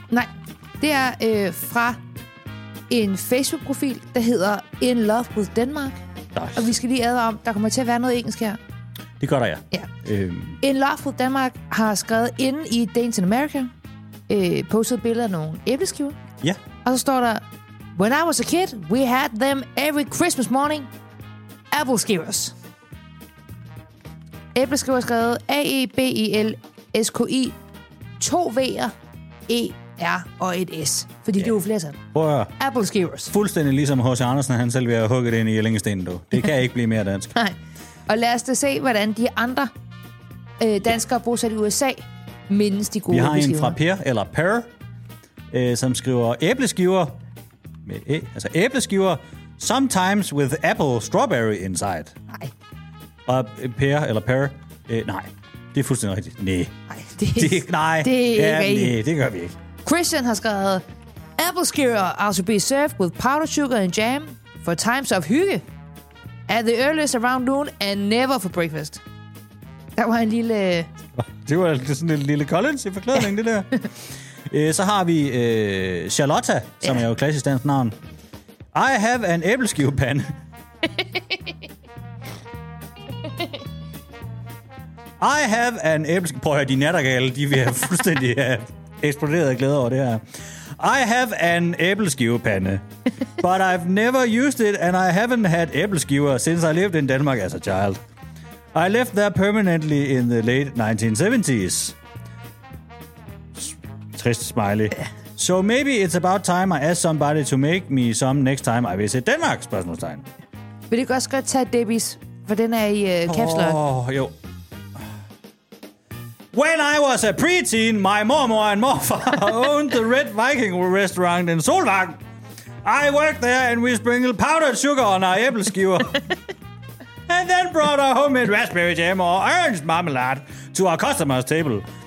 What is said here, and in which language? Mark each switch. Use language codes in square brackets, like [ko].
[da] Nej, det er fra en Facebook-profil, der hedder In Love with Denmark. Nice. Og vi skal lige advare om, der kommer til at være noget engelsk her. Det gør der, ja. Ja. In Love with Denmark har skrevet inde i Danes in America... postet billeder af nogle æbleskiver. Ja. Og så står der, [en] When I was a kid, we had them every Christmas morning. [da] Æbleskivers. Æbleskiver skrevet A-E-B-I-L-S-K-I. To V'er. E-R og et S. Fordi det er jo flertal. Prøv at Æbleskivers. Fuldstændig ligesom H.C. Andersen, han selv vil have hugget ind i Jellingestenen, du. Det kan ikke blive mere dansk. Nej. Og lad os da se, hvordan de andre danskere bosat i USA... mindes de gode. Vi har en fra Per, eller Per, som skriver æbleskiver, med æ, altså æbleskiver, [en] sometimes with apple strawberry inside. [da] Nej. Og Per, eller Per, nej, det er fuldstændig rigtigt. Nej. Det gør vi ikke. Christian har skrevet, [en] æbleskiver are to be served with powdered sugar and jam for times of hygge at the earliest around noon and never for breakfast. [da] Der var en lille... Det var sådan en lille Collins i forklædning, det der. Så har vi Charlotta, som er jo klassisk dansk navn. [en] I have an æbleskivepande. I have an [da] æbleskive... Prøv at høre, de nattergale, de vil have fuldstændig eksploderet af glæde over det her. [en] I have an æbleskivepande, but I've never used it, and I haven't had æbleskiver since I lived in Denmark as a child. I lived there permanently in the late 1970s. [da] Trist smiley. [en] So maybe it's about time I ask somebody to make me some next time I visit Denmark? [da] Spørgsmålstegn. Vil du ikke også godt tage Debbie's, for den er i kapsler? Jo. [en] When I was a preteen, my mormor and morfar owned the Red Viking restaurant in Solvang. I worked there and we sprinkled powdered sugar on our æbleskiver. And then brought our homemade raspberry jam or orange marmalade to our customer's table.